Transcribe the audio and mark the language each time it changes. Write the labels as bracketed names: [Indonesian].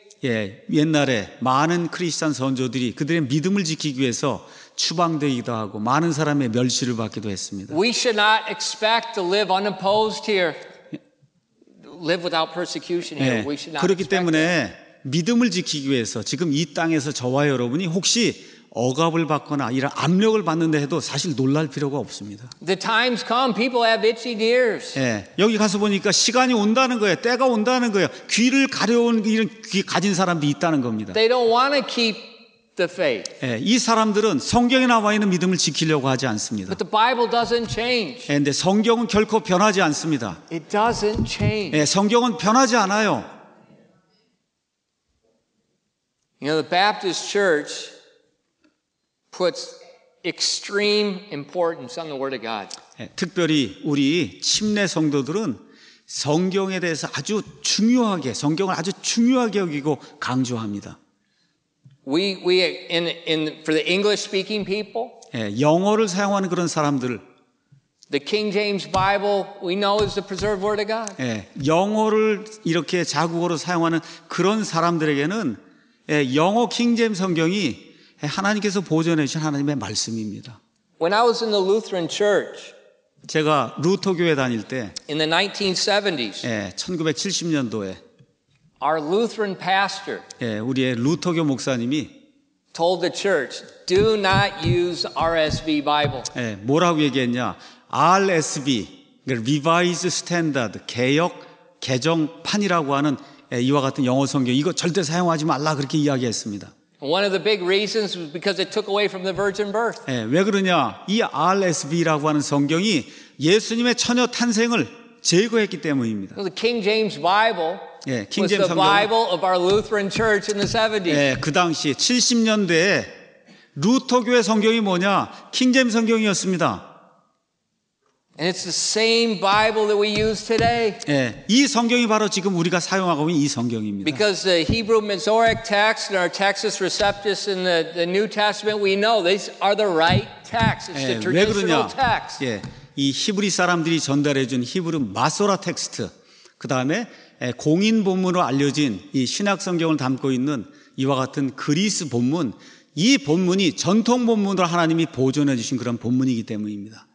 [Korean] 예, 옛날에 많은 크리스천 선조들이 그들의 믿음을 지키기 위해서 추방되기도 하고 많은 사람의 멸시를 받기도 했습니다. [English] We should not expect to live unopposed here. Live without persecution here. [Korean] 예, [English] We should not [Korean] 그렇기 때문에 [English] that. [Korean] 믿음을 지키기 위해서 지금 이 땅에서 저와 여러분이 혹시 억압을 받거나 이런 압력을 받는데 해도 사실 놀랄 필요가 없습니다. [English] The times come, people have itching ears. [Korean] 예, 여기 가서 보니까 시간이 온다는 거예요, 때가 온다는 거예요. 귀를 가려온 이런 귀 가진 사람도 있다는 겁니다. [English] They don't want to keep the faith. [Korean] 예, 이 사람들은 성경에 나와 있는 믿음을 지키려고 하지 않습니다. [English] But the Bible doesn't change. [Korean] 예, 근데 성경은 결코 변하지 않습니다. [English] It doesn't change. [Korean] 예, 성경은 변하지 않아요. [English] You know, the Baptist Church puts extreme importance on the Word of God. [Korean] 특별히 우리 침례 성도들은 성경에 대해서 아주 중요하게 성경을 아주 중요하게 여기고 강조합니다. [English] We in for the English speaking people. [Korean] 예, 영어를 사용하는 그런 사람들. [English] The King James Bible we know is the preserved word of God. [Korean] 예, 영어를 이렇게 자국어로 사용하는 그런 사람들에게는 예, 영어 킹제임스 성경이 하나님께서 보존해 주신 하나님의 말씀입니다. [English] When I was in the Lutheran church, [Korean] 제가 루터 교회 다닐 때 [English] in the 1970s. [Korean] 예, 1970년도에 [English] our Lutheran pastor [Korean] 예, 우리의 루터교 목사님이 [English] told the church, "Do not use RSV Bible." [Korean] 예, 뭐라고 얘기했냐? RSV, Revised Standard, 개역 개정판이라고 하는 예, 이와 같은 영어 성경 이거 절대 사용하지 말라 그렇게 이야기했습니다. [English] One of the big reasons was because it took away from the virgin birth. [Korean] 예, 왜 그러냐? 이 RSV라고 하는 성경이 예수님의 처녀 탄생을 제거했기 때문입니다. [English] The King James Bible [Korean] 예, [English] 킹제임스 was the Bible of our Lutheran church in the 70s. [Korean] 예, 그 당시 70년대에 루터 교회 성경이 뭐냐? 킹제임스 성경이었습니다. [English] And it's the same Bible that we use today. [Korean] 예, 이 성경이 바로 지금 우리가 사용하고 있는 이 성경입니다. [English] Because the Hebrew Masoretic text and our Textus Receptus in the New Testament, we know these are the right texts. It's [Korean] 예, [English] the traditional [Korean] 왜 그러냐? [English] text. [Korean] 예, 이 히브리 사람들이 전달해 준 히브리 마소라 텍스트, 그 다음에 공인 본문으로 알려진 이 신약 성경을 담고 있는 이와 같은 그리스 본문, 이 본문이 전통 본문으로 하나님이 보존해 주신 그런 본문이기 때문입니다.